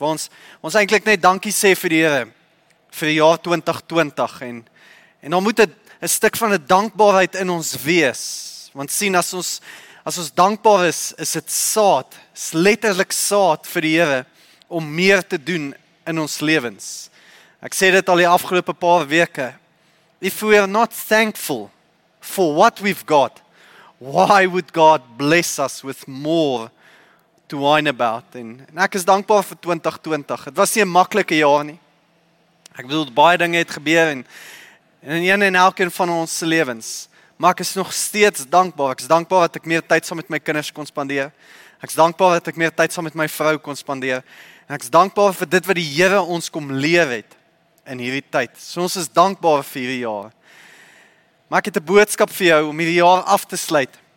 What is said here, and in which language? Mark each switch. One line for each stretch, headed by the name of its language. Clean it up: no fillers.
Afrikaans: Waar ons eintlik net dankie sê vir die Here vir die jaar 2020 en dan moet het een stuk van die dankbaarheid in ons wees. Want sien, as ons dankbaar is, is het saad, is letterlik saad vir die Here om meer te doen in ons lewens. Ek sê dit al die afgelope paar weke.
English: If we are not thankful for what we've got, why would God bless us with more to whine about?
Afrikaans: En ek is dankbaar vir 2020. Het was nie 'n maklike jaar nie. Ek bedoel, baie dinge het gebeur en in een en elk een van ons lewens. Maar ek is nog steeds dankbaar. Ek is dankbaar dat ek meer tyd saam met my kinders kon spandeer. Ek is dankbaar dat ek meer tyd saam met my vrou kon spandeer. En ek is dankbaar vir dit wat die Here ons kom leer het in hierdie tyd. So ons is dankbaar vir hierdie jaar. Maar ek het 'n boodskap vir jou om hierdie jaar af te sluit.